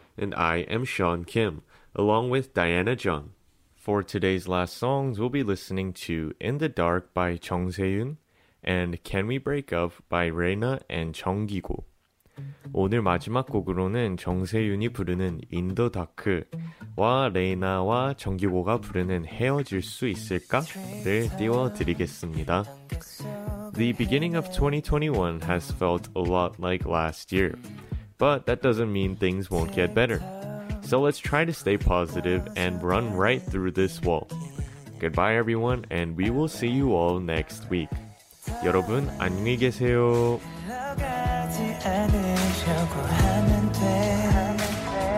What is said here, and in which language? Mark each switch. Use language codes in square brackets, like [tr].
[en] And I am Sean Kim, along with Diana Jung. For today's last songs, we'll be listening to In the Dark by Chung Se-yoon. And Can We Break Up by Reina and Chung Gi-go. [ko] 오늘 마지막 곡으로는 정세윤이 부르는 In the Dark와 레이나와 정기고가 부르는 헤어질 수 있을까를 띄워드리겠습니다. [en] The beginning of 2021 has felt a lot like last year, but that doesn't mean things won't get better. So let's try to stay positive and run right through this wall. Goodbye everyone, and we will see you all next week. [ko] 여러분 안녕히 계세요. 흘러가지 않으려고 하면 돼.